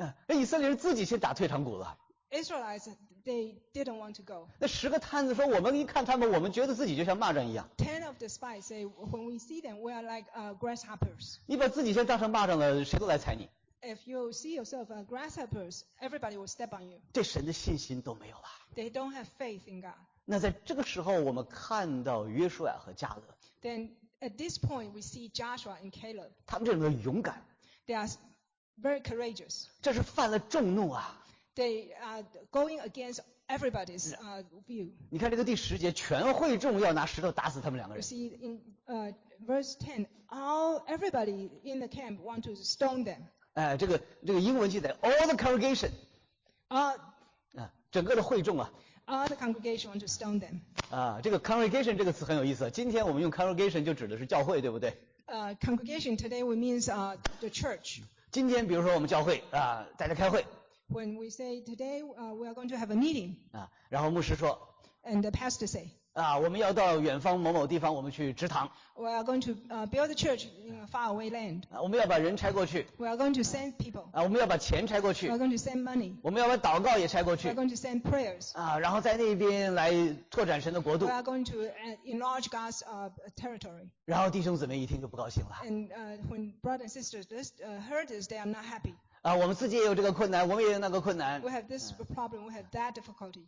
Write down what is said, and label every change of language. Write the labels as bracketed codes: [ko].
[zh] 以色列人自己先打退堂鼓了。 [en] Israelites they didn't want to go. [zh] 那十个探子说，我们一看他们，我们觉得自己就像蚂蚱一样。 [en] Ten of the spies say, when we see them, we are like grasshoppers. [zh] 你把自己先当成蚂蚱了，谁都来踩你。 [en] If you see yourself as grasshoppers, everybody will step on you. [zh] 对神的信心都没有了。 [en] They don't have faith in God. [zh] 那在这个时候，我们看到约书亚和迦勒。 [en] Then at this point, we see Joshua and Caleb. [zh] 他们这种的勇敢。 [en] They are very courageous. [zh] 这是犯了众怒啊。 [en] They are going against everybody's view. [zh] 你看这个第十节，全会众要拿石头打死他们两个人。 [en] You see in verse 10, everybody in the camp want to stone them. [zh] 这个英文记载 [en] all the congregation. [zh] 整个的会众啊。 [en] All the congregation want to stone them. [zh] 这个 congregation 这个词很有意思，今天我们用 congregation 就指的是教会，对不对？ [en] Congregation today we means the church. [zh] 今天比如说我们教会啊，在这开会。 [en] When we say today, we are going to have a meeting. [zh] 然后牧师说。 [en] And the pastor say. [zh] 我们要到远方某某地方，我们去执堂。 [en] We are going to build a church in a faraway land. [zh] 我们要把人拆过去。 [en] We are going to send people. [zh] 我们要把钱拆过去。 [en] We are going to send money. [zh] 我们要把祷告也拆过去。 [en] We are going to send prayers. [zh] 然后在那边来拓展神的国度。 [en] We are going to enlarge God's territory. [zh] 然后弟兄姊妹一听就不高兴了。 [en] And when brothers and sisters just heard this, they are not happy. [zh] 我们自己也有这个困难，我们也有那个困难。 [en] We have this problem, we have that difficulty.